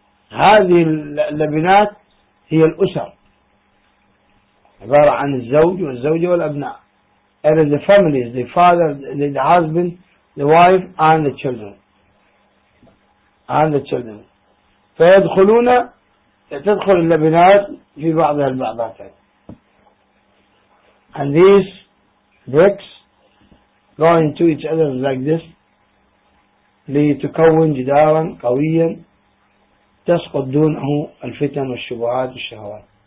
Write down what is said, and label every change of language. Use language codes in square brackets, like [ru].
[ar] هذه اللبنات هي الأسر, عبارة عن الزوج والزوجة والأبناء. [en] It is the families, the father, the husband, the wife, and the children. [ar] فيدخلون تدخل اللبنات في بعضها البعضات. [en] And these bricks go into each other like this [ar] لتكون جدارا قويا تسقط دونه الفتن والشبهات والشهوات.